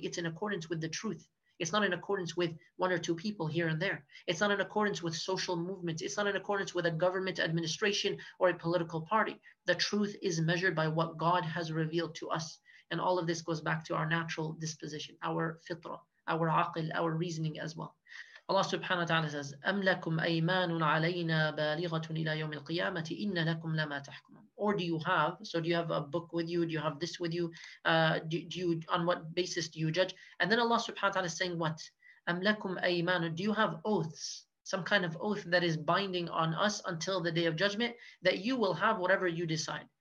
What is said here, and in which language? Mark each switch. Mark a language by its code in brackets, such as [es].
[en] It's in accordance with the truth. It's not in accordance with one or two people here and there. It's not in accordance with social movements. It's not in accordance with a government administration or a political party. The truth is measured by what God has revealed to us. And all of this goes back to our natural disposition, our fitrah, our aqil, our reasoning as well. Allah subhanahu wa ta'ala says, [ar] أَمْ لَكُمْ أَيْمَانٌ عَلَيْنَا بَالِغَةٌ إِلَى يَوْمِ الْقِيَامَةِ إِنَّ لَكُمْ لَمَا تَحْكُمُونَ. [en] Or do you have, so do you have a book with you? Do you have this with you? Do you, on what basis do you judge? And then Allah subhanahu wa ta'ala is saying what? [ar] أَمْ لَكُمْ أَيْمَانٌ. [en] Do you have oaths? Some kind of oath that is binding on us until the day of judgment, that you will have whatever you decide.